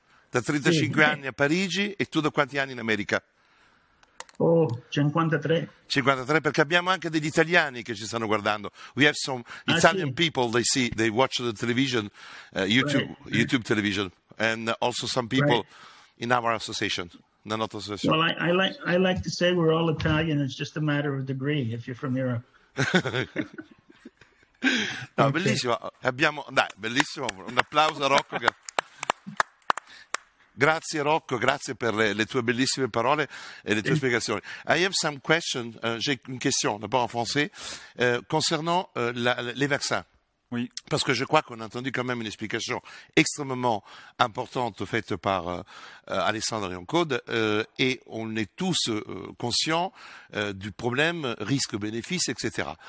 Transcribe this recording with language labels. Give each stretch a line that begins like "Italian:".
Italian: Da 35 anni a Parigi e tu da quanti anni in America?
English: Oh, 53.
Italian: 53, perché abbiamo anche degli italiani che ci stanno guardando.
English: We have some Italian people, they watch the television, YouTube, right. YouTube television, and also some people right. In our association, the Not Association. Well, I like to say we're all Italian, it's just a matter of degree if you're from Europe. No, okay.
Italian: Bellissimo, abbiamo, dai, bellissimo, un applauso a Rocco. Grazie Rocco, grazie per le tue bellissime parole e le tue spiegazioni.
English: I have some question,
French: j'ai une question d'abord en français, concernant les vaccins. Oui. Parce que je crois qu'on a entendu quand même une explication extrêmement importante faite par Alessandro Riancode et on est tous conscients du problème risque-bénéfice, etc.